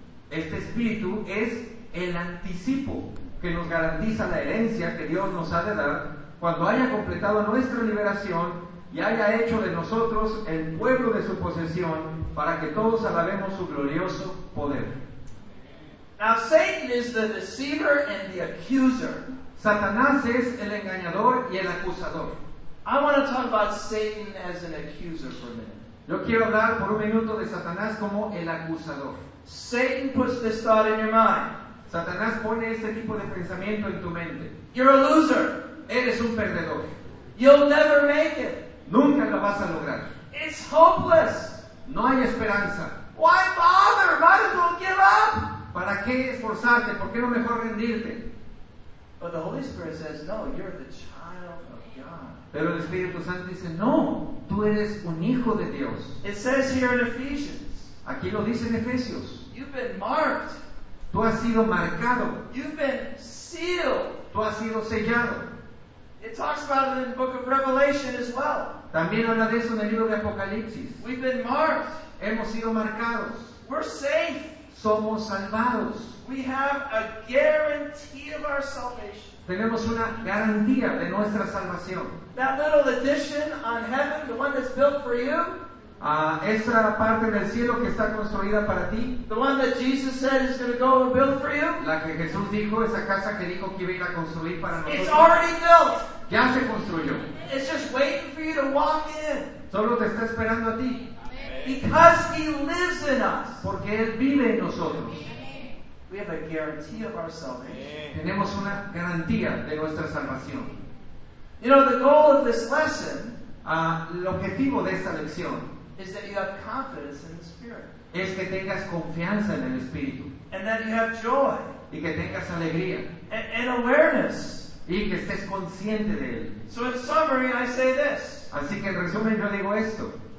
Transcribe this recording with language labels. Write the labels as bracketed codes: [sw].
[es] Este Espíritu es el anticipo que nos garantiza la herencia que Dios nos ha de dar cuando haya completado nuestra liberación y haya hecho de nosotros el pueblo de su posesión para que todos alabemos su glorioso poder. [en] Now Satan is the deceiver and the accuser. [es] Satanás es el engañador y el acusador. [en] I want to talk about Satan as an accuser for a minute. [es] Yo quiero hablar por un minuto de Satanás como el acusador. [en] Satan puts this thought in your mind. [es] Satanás pone este tipo de pensamiento en tu mente. [en] You're a loser. [es] Eres un perdedor. [en] You'll never make it. [es] Nunca lo vas a lograr. [en] It's hopeless. [es] No hay esperanza. [en] Why bother? Might as well give up. [es] ¿Para qué esforzarte? ¿Por qué no mejor rendirte? [en] But the Holy Spirit says, no, you're the child of God. [es] Pero el Espíritu Santo dice, no, tú eres un hijo de Dios. [en] It says here in Ephesians. [es] Aquí lo dice en Efesios. [en] You've been marked. [es] Tú has sido marcado. [en] You've been sealed. [es] Tú has sido sellado. [en] It talks about it in the book of Revelation as well. [es] También habla de eso en el libro de Apocalipsis. [en] We've been marked. [es] Hemos sido marcados. [en] We're safe. [es] Somos salvados. [en] We have a guarantee of our salvation. [es] Tenemos una garantía de nuestra salvación. [en] That little addition on heaven, the one that's built for you. [es] Esa parte del cielo que está construida para ti. [en] The one that Jesus said is going to go and build for you. [es] La que Jesús dijo, esa casa que dijo que iba a ir a construir para nosotros. [en] It's already built. [es] Ya se construyó. [en] It's just waiting for you to walk in. [es] Solo te está esperando a ti. [en] Because he lives in us. [es] Porque él vive en nosotros. [en] We have a guarantee of our salvation. [es] Tenemos una garantía de nuestra salvación. [en] You know, the goal of this lesson, [es] el objetivo de esta lección, [en] is that you have confidence in the Spirit. [es] Es que tengas confianza en el Espíritu. [en] And that you have joy. [es] Y que tengas alegría. [en] And awareness. [es] Y que estés consciente de él. [en] So in summary, I say this. [es] Así que en resumen yo digo esto.